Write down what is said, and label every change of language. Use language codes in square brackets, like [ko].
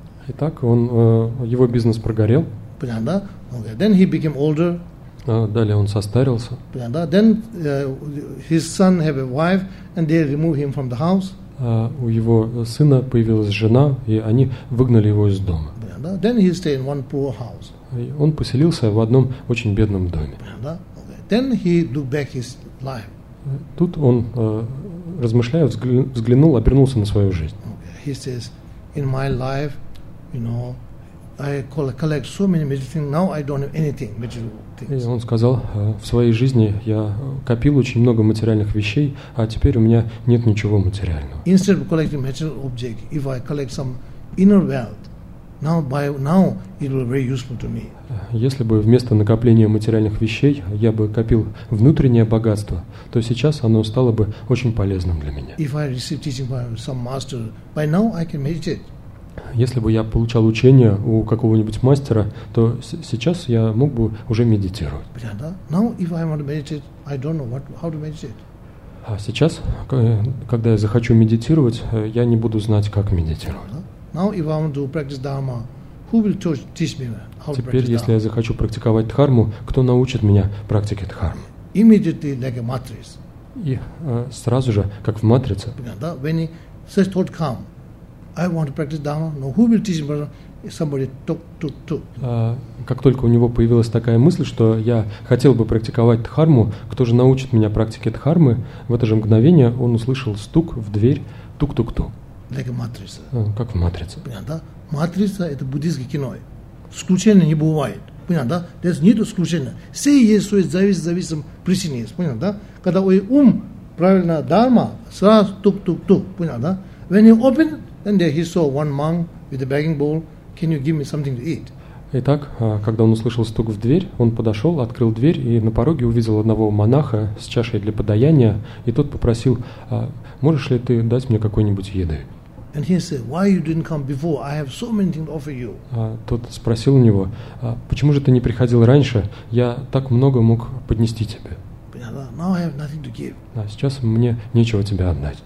[ru] Итак, он его бизнес прогорел. Понятно, да? [en] Okay. Then he became older. [ru] Далее он состарился. Понятно, да? [en] Then his son have a wife and they remove him from the house. [ru] У его сына появилась жена и они выгнали его из дома. Понятно, да? [en] Then he stayed in one poor house. [ru] И он поселился в одном очень бедном доме. Понятно, да? [en] Okay. Then he look back his life. [ru] Тут он, размышляя, взглянул, обернулся на свою жизнь. [en] He says, in my life, you know, I collect so many material things, now I don't have anything material things. [ru] И он сказал, в своей жизни я копил очень много материальных вещей, а теперь у меня нет ничего материального. [en] Instead of collecting material objects, if I collect some inner wealth, Now it will be very useful to me. [ru] Если бы вместо накопления материальных вещей я бы копил внутреннее богатство, то сейчас оно стало бы очень полезным для меня. [en] If I receive teaching by some master, by now I can meditate. [ru] Если бы я получал учение у какого-нибудь мастера, то сейчас я мог бы уже медитировать. [en] Now if I want to meditate, I don't know how to meditate. [ru] А сейчас, когда я захочу медитировать, я не буду знать, как медитировать. [en] Now if I want to practice dharma, who will teach me how to practice dharma? [ru] Теперь, если я захочу практиковать дхарму, кто научит меня практике дхармы? [en] Immediately like a matrix. [ru] И сразу же, как в матрице. [en] Да, when such thought come, I want to practice dharma. Now who will teach me? Somebody took. [ru] Как только у него появилась такая мысль, что я хотел бы практиковать дхарму, кто же научит меня практике дхармы? В это же мгновение он услышал стук в дверь, тук-тук-тук. [en] Like матрица. [ru] Как в матрице. Понятно, да? Матрица – это буддийское кино. Исключения не бывает. Понятно, да? Здесь нет исключения. Все есть, все зависит, зависим, причины есть. Понятно, да? Когда у ум правильно дарма, сразу тук-тук-тук. Понятно, да? [en] When you open, then there he saw one monk with a begging bowl. Can you give me something to eat? [ru] Итак, когда он услышал стук в дверь, он подошел, открыл дверь и на пороге увидел одного монаха с чашей для подаяния, и тот попросил: «Можешь ли ты дать мне какой-нибудь еды?» [en] And he said, "Why you didn't come before? I have so many things to offer you." [ru] Тот спросил у него: "Почему же ты не приходил раньше? Я так много мог поднести тебе." [en] Now I have nothing to give. [ru] Сейчас мне нечего тебе отдать.